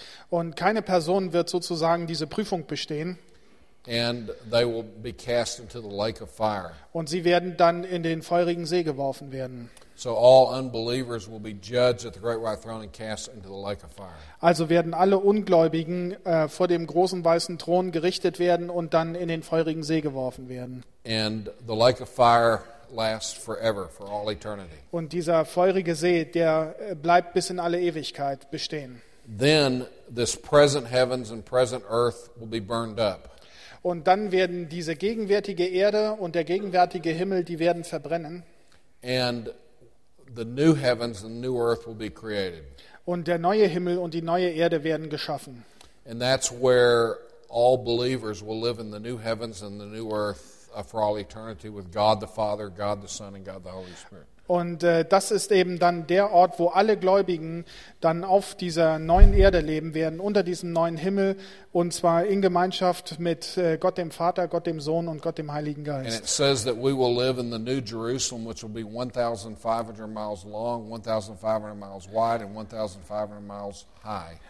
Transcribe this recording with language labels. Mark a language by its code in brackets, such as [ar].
[de] Und keine Person wird sozusagen diese Prüfung bestehen. [en] And they will be cast into the lake of fire. [de] Und sie werden dann in den feurigen See geworfen werden. [en] So all unbelievers will be judged at the great white throne and cast into the lake of fire. [de] Also werden alle Ungläubigen vor dem großen weißen Thron gerichtet werden und dann in den feurigen See geworfen werden. [en] And the lake of fire lasts forever, for all eternity. [de] Und dieser feurige See, der bleibt bis in alle Ewigkeit bestehen. [en] Then this present heavens and present earth will be burned up. [de] Und dann werden diese gegenwärtige Erde und der gegenwärtige Himmel, die werden verbrennen. [en] And the new heavens and new earth will be created. [de] Und der neue Himmel und die neue Erde werden geschaffen. [en] And that's where all believers will live in the new heavens and the new earth for all eternity with God the Father, God the Son and God the Holy Spirit. [de] Und das ist eben dann der Ort, wo alle Gläubigen dann auf dieser neuen Erde leben werden, unter diesem neuen Himmel, und zwar in Gemeinschaft mit Gott dem Vater, Gott dem Sohn und Gott dem Heiligen Geist. [en] And it says that we will live in the new Jerusalem, which will be 1,500 miles long, 1,500 miles wide and 1,500 miles high.